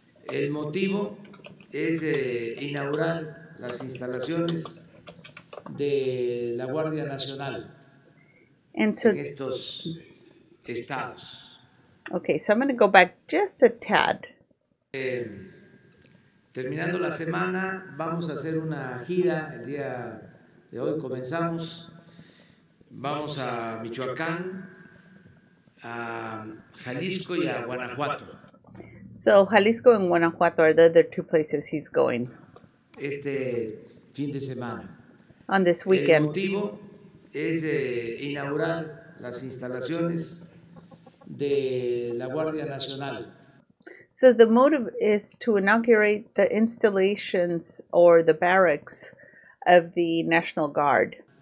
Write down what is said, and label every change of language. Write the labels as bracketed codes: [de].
[es] El motivo es inaugurar las instalaciones de la Guardia Nacional en estos estados. [en] Okay, so I'm going to go back just a tad. [es] Terminando la semana, vamos a hacer una gira. El día de hoy comenzamos. Vamos a Michoacán, a Jalisco y a Guanajuato. [en] So Jalisco and Guanajuato are the other two places he's going. [es] Este fin de semana. [en] On this weekend. [es] El motivo es inaugurar las instalaciones de la Guardia Nacional. [en] So the motive is to inaugurate the installations or the barracks of the National Guard.